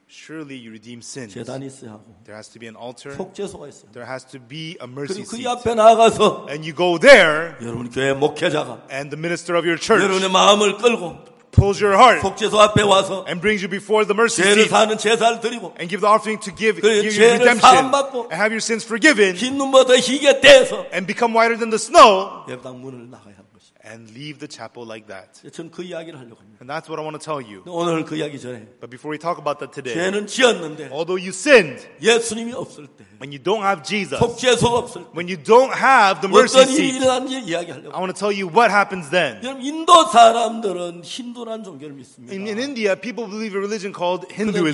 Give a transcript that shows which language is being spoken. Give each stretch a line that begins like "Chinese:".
English: Surely you redeem sins.
Korean: 제단이 있어야 하고
English: There has to be an altar.
Korean: 속죄소가 있어요.
English: There has to be a mercy seat.
Korean: 그리고 그 앞에 나가서
English: And you go there.
Korean: 여러분 교회 목회자가
English: And the minister of your church.
Korean: 여러분의 마음을 끌고
English: Pulls your heart
Korean: 속죄소 앞에 와서
English: and brings you before the mercy seat.
Korean: 죄를 사는 제사를 드리고
English: and give the offering to give you redemption.
Korean: 받고
English: and have your sins forgiven.
Korean: 흰 눈보다 희게 떼서
English: and become whiter than the snow.
Korean: 예배당 문을 나가야 하는 것이.
English: And leave the chapel like that.
Korean: 저는 그 이야기를 하려고 합니다.
English: And that's what I want to tell you.
Korean: 오늘 그 이야기 전에.
English: But before we talk about that today.
Korean: 죄는 지었는데.
English: Although you sinned.
Korean: 예수님이 없을 때.
English: When you don't have Jesus.
Korean: 속죄소 없을 때.
English: When you don't have the mercy seat.
Korean: 어떤 일이 일어난지 이야기하려고.
English: I want to tell you what happens then.
Korean: 여러분 인도 사람들은 힌두란 종교를 믿습니다.
English: In India, people believe a religion called Hinduism.